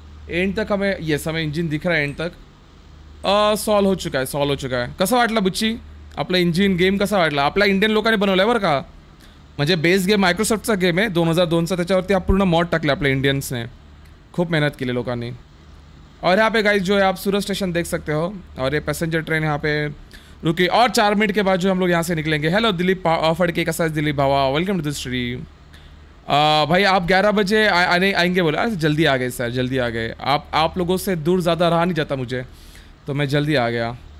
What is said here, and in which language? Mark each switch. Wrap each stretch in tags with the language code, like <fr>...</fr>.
<hi>And तक हमें, yes हमें इंजन दिख रहा है एंड तक, सॉल्व हो चुका है।</hi> <mr>कसा वाटला बुच्ची आपला इंजिन, गेम कसा वाटला? आपला इंडियन लोकांनी बनवला आहे बरं का, म्हणजे बेस गेम मायक्रोसॉफ्टचा गेम आहे 2002 त्याच्यावरती आप पूर्ण मॉड टाकले आपल्या इंडियन्सने, खूप मेहनत केली लोकांनी।</mr> <hi>और यहाँ पे गाइस जो है आप सूरत स्टेशन देख सकते हो, और ये पैसेंजर ट्रेन यहाँ पे रुकी, और 4 मिनट के बाद जो हम लोग यहाँ से निकलेंगे। हेलो दिलीप फड़के,</hi> <mr>कसा है दिलीप भावा,</mr> <en>Welcome to the stream.</en> <hi>भाई आप 11 बजे आएंगे बोला, जल्दी आ गए सर, जल्दी आ गए, आप लोगों से दूर ज़्यादा रहा नहीं जाता मुझे, तो मैं जल्दी आ गया।</hi>